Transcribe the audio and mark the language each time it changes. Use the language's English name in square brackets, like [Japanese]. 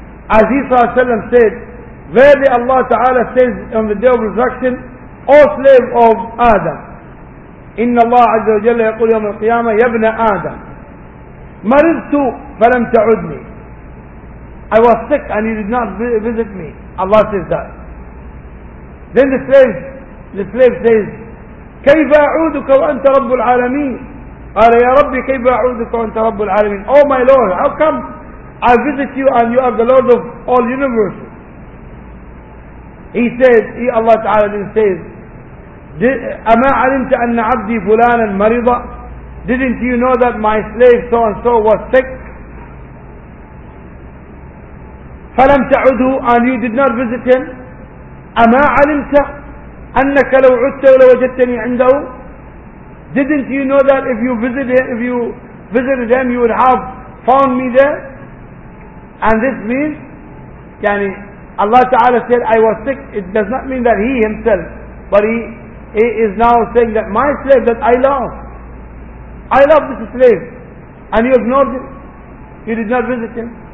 [English] As he said, verily Allah Ta'ala says on the day of resurrection, O slave of Adam, [Arabic] إِنَّ اللَّهَ عَزَّ وَجَلَّ يَقُولُ يَوْمَ الْقِيَامَةِ يَبْنَ آدَمَ مَرِضْتُ فَلَمْ تَعُدْنِي. [English] I was sick and you did not visit me. Allah says that. Then the slave says, [Arabic] كَيْفَ أَعُودُكَ وَأَنْتَ رَبُّ الْعَالَمِينَ. قَالَ يَا رَبِّ كَيْفَ أَعُودُكَ وَأَنْتَ رَبُّ الْعَالَمِينَ. [English] Oh my Lord, how come I visit you and you are the Lord of all universes? He says, Allah Ta'ala then says, [Arabic] أما علمت أن عبدي فلانا مريضا. [English] Didn't you know that my slave so and so was sick? [Arabic] فلم تعده [English] and you did not visit him. [Arabic] أما علمت أنك لو عدت لوجدتني عنده. [English] Didn't you know that if you visited him you would have found me there. And this means يعني Allah Ta'ala said I was sick, it does not mean that he himself, but he is now saying that my slave that I love this slave and you ignored him, you did not visit him.